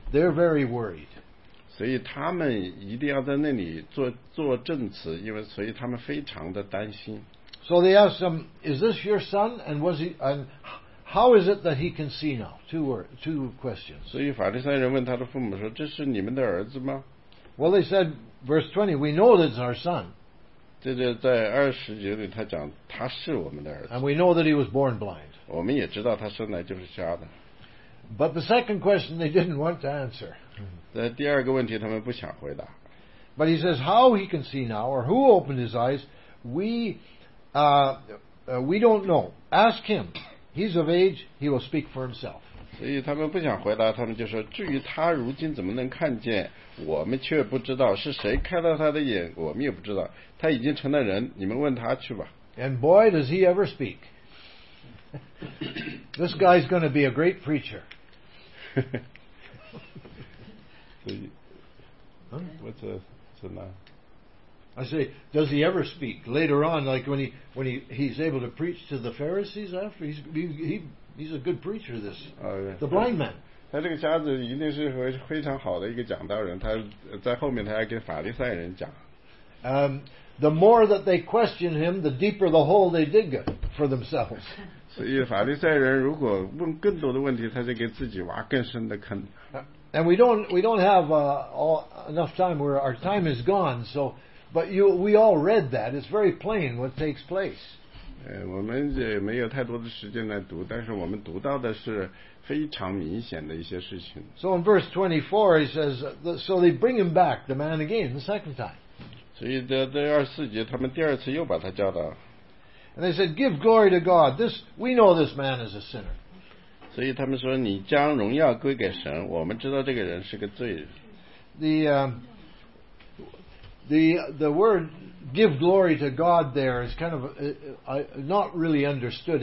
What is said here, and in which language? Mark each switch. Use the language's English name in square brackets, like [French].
[English] They're very worried. [Chinese] 所以他们一定要在那里做证词，因为所以他们非常的担心。 [English] So they asked him, "Is this your son? And was he? And how is it that he can see now?" Two questions. [Chinese] 所以法利赛人问他的父母说：“这是你们的儿子吗？” [English] Well, they said. Verse 20, we know that it's our son. [Chinese] 这就在二十节里他讲他是我们的儿子。 [English] And we know that he was born blind. [Chinese] 我们也知道他生来就是瞎的。 [English] But the second question they didn't want to answer. [Chinese] 在第二个问题他们不想回答。 [English] But he says how he can see now or who opened his eyes, we don't know. Ask him. He's of age, he will speak for himself. [Chinese] 所以他们不想回答，他们就说至于他如今怎么能看见，我们却不知道，是谁开了他的眼我们也不知道，他已经成了人，你们问他去吧。 [English] And boy does he ever speak. This guy's going to be a great preacher. What's the name? I say, does he ever speak later on, like when he's able to preach to the Pharisees after? He's a good preacher, this. The blind man. [Chinese] 他这个瞎子一定是非常好的一个讲道人，他在后面他要跟法利赛人讲。 [English] The more that they question him, the deeper the hole they dig for themselves. [Chinese] 所以法利赛人如果问更多的问题，他就给自己挖更深的坑。 [English] And we don't have enough time, where our time is gone, so, but we all read that. It's very plain what takes place. [Chinese] 我们也没有太多的时间来读，但是我们读到的是非常明显的一些事情。 [English] So in verse 24, he says, so they bring him back, the man again, the second time. [Chinese] 所以在24节，他们第二次又把他叫到。 [English] And they said, give glory to God. We know this man is a sinner. [Chinese] 所以他们说，你将荣耀归给神，我们知道这个人是个罪人。 [English] The word give glory to God there is kind of not really understood.